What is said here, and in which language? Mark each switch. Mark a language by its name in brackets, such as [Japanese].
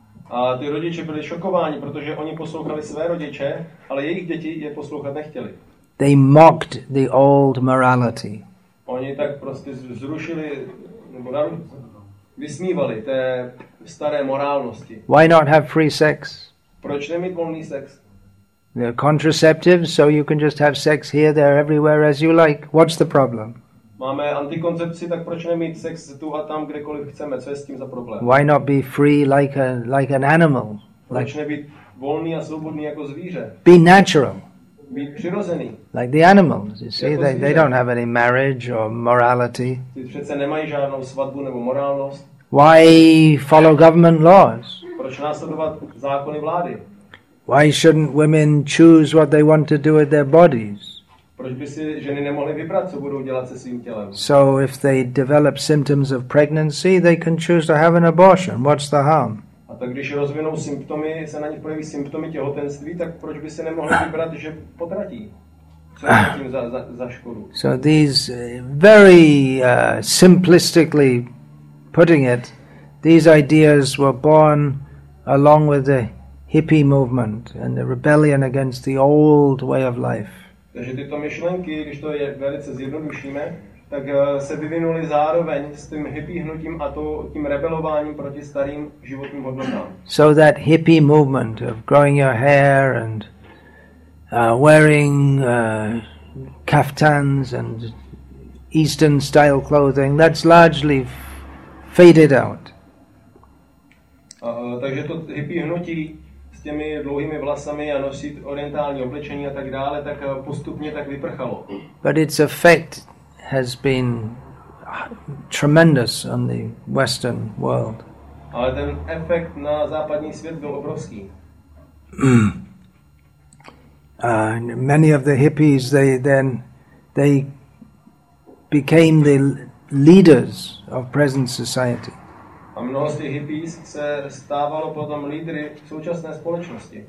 [Czech] A ty rodiče byli šokováni, protože oni poslouchali své rodiče, ale jejich děti je poslouchat nechtěli. [English] They mocked the old morality. [Czech] Oni tak prostě zrušili nebo vysmívali té staré morálnosti. [English] Why not have free sex? [Czech] Proč nemít volný sex? [English] They're contraceptives, so you can just have sex here, there, everywhere as you like. What's the problem? [Czech] Máme antikoncepci, tak proč nemít sex tu a tam, kdekoliv chceme? Co je s tím za problém? [English] Why not be free like an animal? [Czech] Proč nebýt volný a svobodný jako zvíře? [English] Be natural. [Czech] Být přirozený. [English] Like the animals, you see, they don't have any marriage or morality. [Czech] Ty přece nemají žádnou svatbu nebo morálnost. [English] Why follow government laws? [Czech] Proč následovat zákony vlády? [English] Why shouldn't women choose what they want to do with their bodies? [Czech] Proč by si ženy nemohly vybrat, co budou dělat se svým tělem? [English] So if they develop symptoms of pregnancy, they can choose to have an abortion. What's the harm? [Czech] A tak když rozvinou symptomy, se na nich projeví symptomy těhotenství, tak proč by si nemohly vybrat, že potratí? Co je tím za škodu? [English] So these very simplistically putting it, these ideas were born along with the hippie movement and the rebellion against the old way of life. [Czech] Takže tyto myšlenky, když to je velice zjednodušíme, tak se vyvinuly zároveň s tím hippie hnutím a tím rebelováním proti starým životním hodnotám. [English] So that hippie movement of growing your hair and wearing kaftans and Eastern style clothing, that's largely faded out. [Czech] Takže to hippie hnutí s těmi dlouhými vlasami a nosit orientální oblečení a tak dále, tak postupně tak vyprchalo. [English] But its effect has been tremendous on the Western world. [Czech] Ale ten efekt na západní svět byl obrovský. [English] Many of the hippies they became the leaders of present society. [Czech] A mnoho z těch hippies se stávalo potom lídry v současné společnosti.